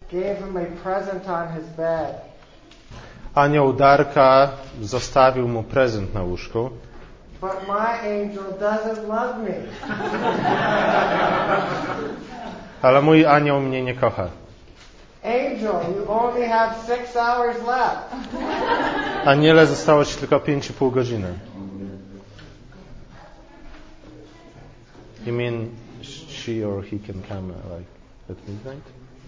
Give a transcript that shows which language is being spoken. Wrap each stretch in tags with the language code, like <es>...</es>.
<en>gave him a present on his bed.</en> <pl>Anioł Darka zostawił mu prezent na łóżku.</pl> <en>But my angel doesn't love me.</en> <pl>Ale mój anioł mnie nie kocha.</pl> <en>Angel, you only have 6 hours left.</en> <pl>Aniele, zostało ci tylko 5,5 godziny.</pl> <en>You mean she or he can come like at midnight?</en>